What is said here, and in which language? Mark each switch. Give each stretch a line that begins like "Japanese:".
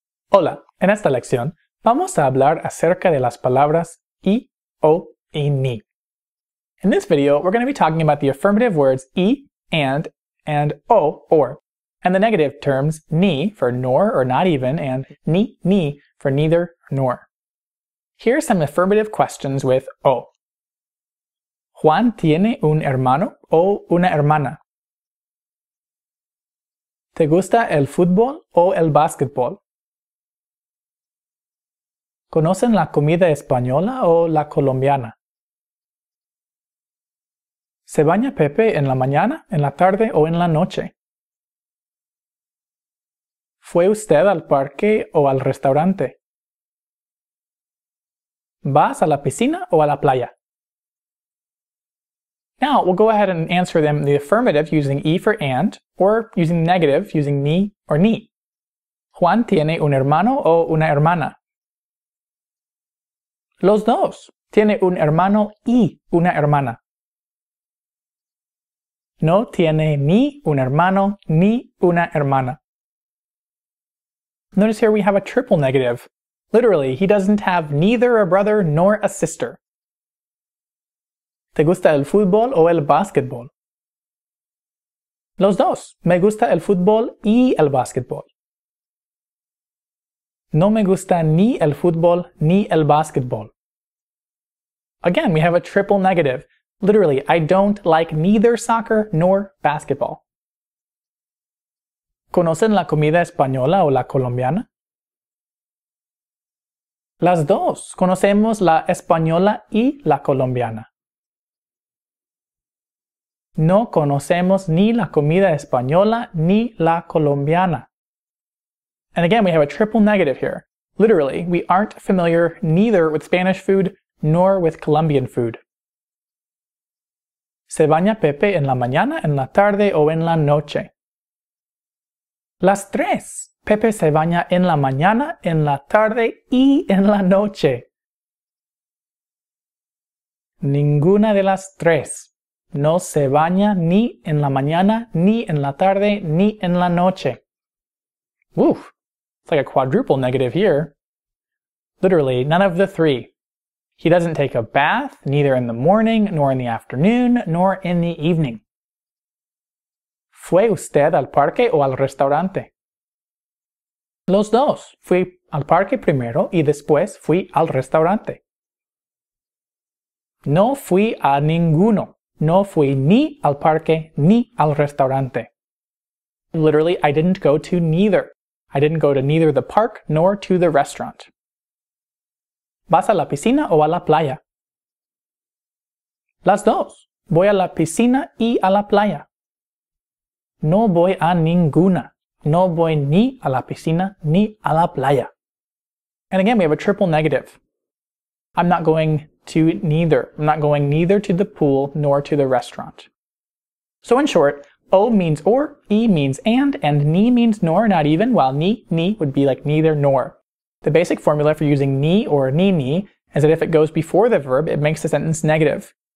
Spanish: Hola, en esta lección vamos a hablar acerca de las palabras I, O, y Ni.
English: In this video, we're going to be talking about the affirmative words I, and O, or, and the negative terms Ni for nor or not even, and Ni for neither nor. Here are some affirmative questions with O.
Spanish: Juan tiene un hermano o una hermana. ¿Te gusta el fútbol o el básquetbol? ¿Conocen la comida española o la colombiana? ¿Se baña Pepe en la mañana, en la tarde o en la noche? ¿Fue usted al parque o al restaurante? ¿Vas a la piscina o a la playa?
English: Now, we'll go ahead and answer them in the affirmative using I for and, or using negative using ni or ni.
Spanish: ¿Juan tiene un hermano o una hermana? Los dos. Tiene un hermano y una hermana. No tiene ni un hermano ni una hermana.
English: Notice here we have a triple negative. Literally, he doesn't have neither a brother nor a sister.
Spanish: ¿Te gusta el fútbol o el básquetbol? Los dos. Me gusta el fútbol y el básquetbol. No me gusta ni el fútbol ni el básquetbol.
English: Again, we have a triple negative. Literally, I don't like neither soccer nor basketball.
Spanish: ¿Conocen la comida española o la colombiana? Las dos. Conocemos la española y la colombiana. No conocemos ni la comida española ni la colombiana.
English: And again, we have a triple negative here. Literally, we aren't familiar neither with Spanish food nor with Colombian food.
Spanish: ¿Se baña Pepe en la mañana, en la tarde o en la noche? Las tres. Pepe se baña en la mañana, en la tarde y en la noche. Ninguna de las tres. No se baña ni en la mañana, ni en la tarde, ni en la noche.
English: Oof. It's like a quadruple negative here. Literally, none of the three. He doesn't take a bath, neither in the morning, nor in the afternoon, nor in the evening.
Spanish: ¿Fue usted al parque o al restaurante? Los dos. Fui al parque primero y después fui al restaurante. No fui a ninguno. No fui ni al parque ni al restaurante.
English: Literally, I didn't go to neither. I didn't go to neither the park nor to the restaurant.
Spanish: ¿Vas a la piscina o a la playa? Las dos. Voy a la piscina y a la playa. No voy a ninguna. No voy ni a la piscina ni a la playa.
English: And again, we have a triple negative. I'm not going to neither. I'm not going neither to the pool nor to the restaurant. So in short, O means or, E means and ni means nor, not even, while ni would be like neither nor. The basic formula for using ni or ni is that if it goes before the verb, it makes the sentence negative.